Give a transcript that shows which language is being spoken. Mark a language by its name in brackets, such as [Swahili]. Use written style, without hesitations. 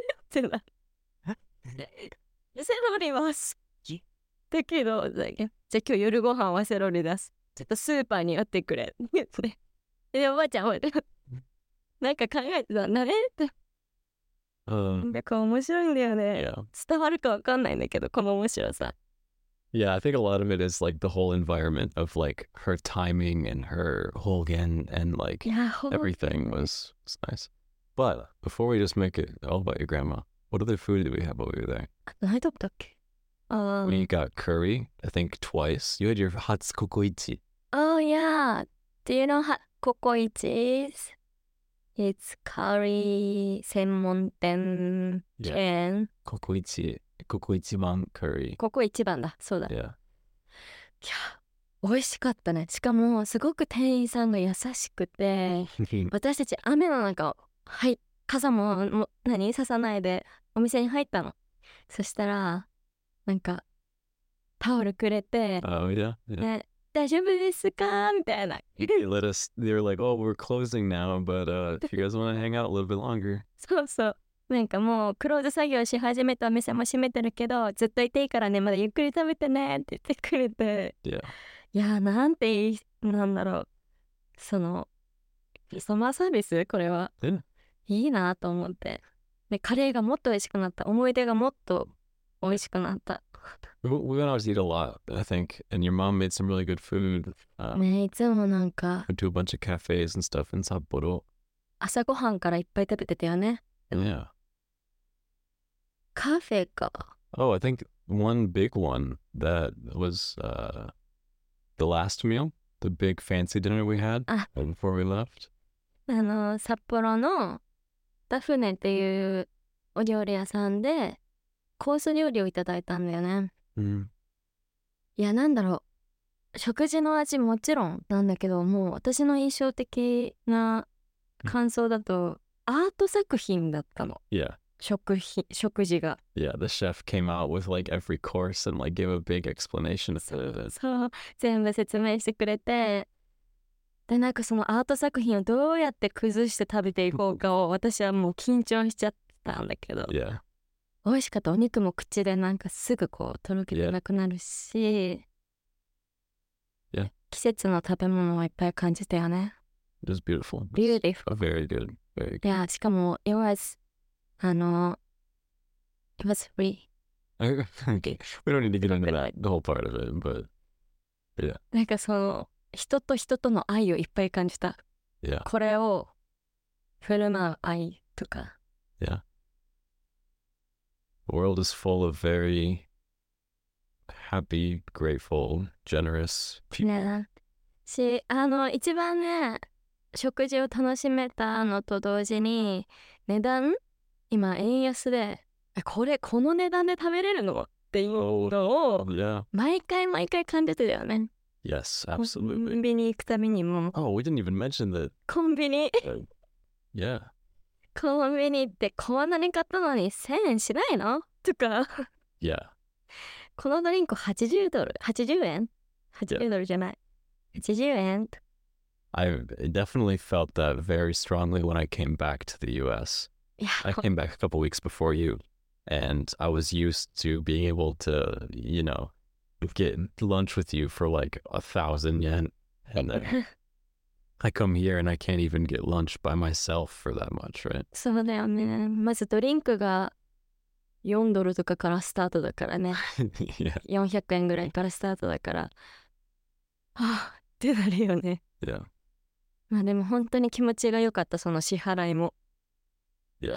[Japanese] てなセロリは好きだけどじゃあ今日夜ご飯はセロリ出すちょっとスーパーに寄ってくれでおばあちゃんなんか考えてたんだねって、なんか面白いんだよね、 [English] yeah. [Japanese] 伝わるかわかんないんだけどこの面白さ。 [English] Yeah, I think a lot of it is like the whole environment of like her timing and her hōgen and like yeah, everything was nice. But before we just make it all about your grandma, what other food did we have over there? I don't know. We got curry, I think twice. You had your hats kokoichi. Oh yeah. Do you know what kokoichi is? It's curry 専門店 chain. [Japanese] Kokoichi. ココイチバンカリーココイチバンだそうだ、 [English] yeah. [Japanese] いや美味しかったねしかもすごく店員さんが優しくて私たち雨の中はい傘 も何ささないでお店に入ったのそしたらなんかタオルくれて、 [English] yeah. [Japanese] ね、大丈夫ですかみたいな [English] let us, they were like, oh, we're closing now but if you guys want to hang out a little bit longer [Japanese] そうそうなんかもうクローズ作業し始めたお店も閉めてるけどずっといていいからねまだゆっくり食べてねって言ってくれて、 [English] yeah. [Japanese] いやなんていいなんだろうそのカスタマーサービスこれは、 [English] yeah. [Japanese] いいなと思ってでカレーがもっと美味しくなった思い出がもっと美味しくなった [English] We would always eat a lot I think and your mom made some really good food、 [Japanese] ね、いつもなんか [English] went to a bunch of cafes and stuff in Sapporo [Japanese] 朝ごはんからいっぱい食べてたよね [English] Yeah. [Japanese] Cafe か? [English] Oh, I think one big one that was the last meal, the big fancy dinner we had before we left. [Japanese] あの、札幌のダフネっていうお料理屋さんでコース料理をいただいたんだよね。いや、なんだろう。食事の味もちろんなんだけど、もう私の印象的な感想だと、アート作品だったの。 [English] Yeah. [Japanese] 食事が。 [English] Yeah, the chef came out with like every course and like gave a big explanation of it. [Japanese] そう、全部説明してくれて、でなんかそのアート作品をどうやって崩して食べていこうかを私はもう緊張しちゃったんだけど。 [English] Yeah. [Japanese] 美味しかった。お肉も口でなんかすぐこうとろけてなくなるし、 [English] yeah. [Japanese] 季節の食べ物をいっぱい感じたよね。 [English] It was beautiful. Beautiful. Very good. Yeah, [Japanese] しかも [English] it was, it was free. We don't need to get into that, the whole part of it, but, yeah. [Japanese] なんかその、人と人との愛をいっぱい感じた。 [English] Yeah. [Japanese] これを振る舞う愛とか。 [English] Yeah. The world is full of very happy, grateful, generous people. Yeah. [Japanese] し、一番ね、食事を楽しめたのと同時に値段今円安でこれこの値段で食べれるのっていうのを、 [English] oh, yeah. [Japanese] 毎回毎回感じてたよね [English] Yes, absolutely. [Japanese] コンビニ行くためにも [English] Oh, we didn't even mention that. [Japanese] コンビニ [English] Yeah. [Japanese] コンビニってこんなに買ったのに1000円しないのとか [English] Yeah. [Japanese] このドリンク80ドル、80円、80ドルじゃない、80円。 [English] I definitely felt that very strongly when I came back to the US. I came back a couple weeks before you, and I was used to being able to, you know, get lunch with you for like 1,000 yen. And then I come here and I can't even get lunch by myself for that much, right? [Japanese] そうだよね。まずドリンクが4ドルとかからスタートだからね。 [English] yeah. [Japanese] 400円ぐらいからスタートだから。あ、ってなるよね。 [English] Yeah. [Japanese] まあでも本当に気持ちが良かった、その支払いも。 [English] Yeah.